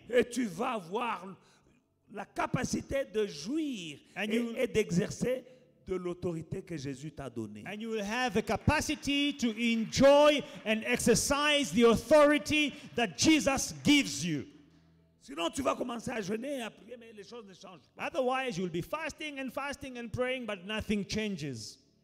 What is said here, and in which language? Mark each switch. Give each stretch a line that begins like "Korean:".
French: Et tu vas avoir la capacité de jouir et d'exercer de l'autorité que Jésus t'a donnée.
English: And you will have the capacity to enjoy and exercise the authority that Jesus gives you.
French: Sinon, tu vas commencer à jeûner et à prier, mais les choses ne changent pas.
English: Otherwise, you'll be fasting and praying, but nothing changes.